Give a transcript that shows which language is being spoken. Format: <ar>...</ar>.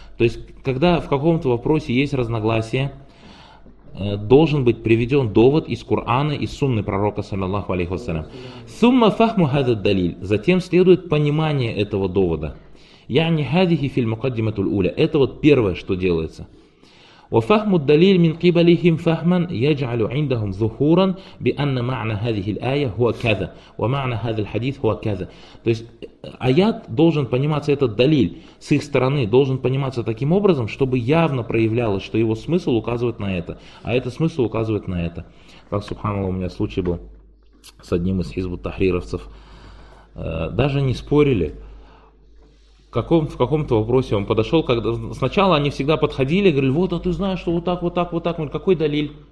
<ru>То есть, когда в каком-то вопросе есть разногласие, должен быть приведен довод из Корана и Сунны Пророка, саллаллаху алейхи вассалям.</ru> <ar>Сумма фахму хадат далиль.</ar> <ru>Затем следует понимание этого довода.</ru> <ar>Яни хадихи филь мукаддиматуль уля.</ar> <ru>Это вот первое, что делается.</ru> <ar>وفهموا الدليل من قبلهم فهما يجعل عندهم ظهورا بأن معنى هذه الآية هو كذا ومعنى هذا الحديث هو كذا.</ar> <ru>То есть аят должен пониматься, этот далиль с их стороны должен пониматься таким образом, чтобы явно проявлялось, что его смысл указывает на это, а этот смысл указывает на это. Как субханаллах, у меня случай был с одним из хизбут-тахрировцев. Даже не спорили. В каком-то вопросе он подошел, когда сначала они всегда подходили, говорили, вот, а ты знаешь, что вот так, вот так, вот так, говорит, какой далиль?</ru>